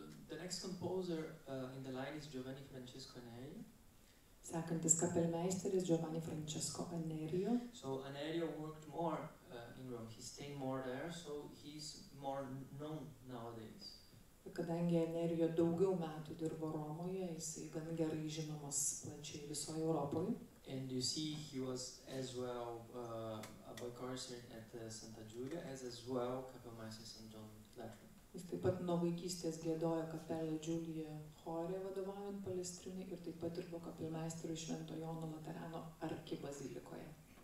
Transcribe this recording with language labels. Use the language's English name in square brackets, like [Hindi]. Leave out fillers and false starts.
[English] The next composer in the line is Giovanni Francesco Anerio. [Lithuanian] Sekantis kapelmeisteris Giovanni Francesco Anerio. [English] So Anerio worked more in Rome. He stayed more there, so he's more known nowadays. [Lithuanian] Kadangi Anerio daugiau metų dirbo Romoje, jis gan gerai žinomas plačiai visoje Europoje. [English] And you see he was as well a boy chorister at Santa Giulia as well kapelmeister St. John Latran. [Lithuanian] Jis taip pat nuo vaikystės giedojo Capella Giulia chore vadovaujant Palestrinai ir taip pat dirbo kapelmeisteriu Švento Jono Laterano arkibazilikoje.